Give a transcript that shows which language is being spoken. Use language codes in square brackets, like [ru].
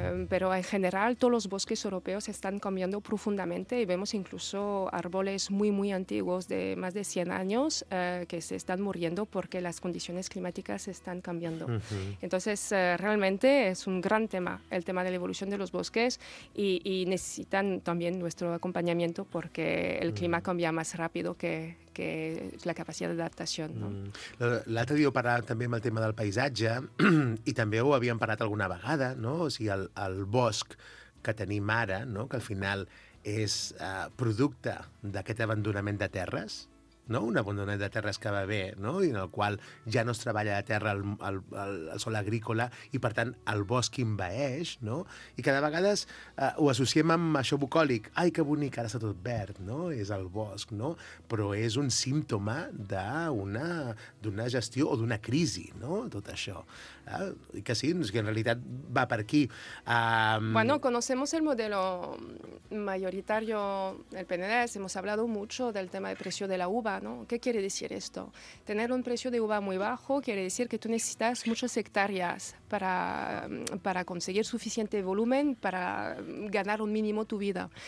[es] Pero en general, todos los bosques europeos están cambiando profundamente y vemos incluso árboles muy, muy antiguos de más de 100 años que se están muriendo porque las condiciones climáticas están cambiando. Uh-huh. Entonces, realmente es un gran tema, el tema de la evolución de los bosques y necesitan también nuestro acompañamiento porque el uh-huh. clima cambia más rápido que la capacitat d'adaptació. No? Mm. [ca] L'altre dia ho parlàvem també amb el tema del paisatge i també ho havíem parlat alguna vegada, no? O sigui, el bosc que tenim ara, no? Que al final és producte d'aquest abandonament de terres, no? Un abandonament de terres que va bé, no? I en el qual ja no es treballa la terra, el sol agrícola, i per tant el bosc envaeix, no? I cada vegada ho associem amb això bucòlic. Ai, que bonic, ara està tot verd, no? És el bosc, no? Però és un símptoma d'una gestió o d'una crisi, no? Tot això. Que sí, que en realitat va per aquí. [es] Bueno, conocemos el modelo mayoritario, el PNDES, hemos hablado mucho del tema de precio de la uva, ¿no? ¿Qué quiere decir esto? Tener un precio de uva muy bajo quiere decir que tú necesitas muchas hectáreas para conseguir suficiente volumen para ganar un mínimo tu vida.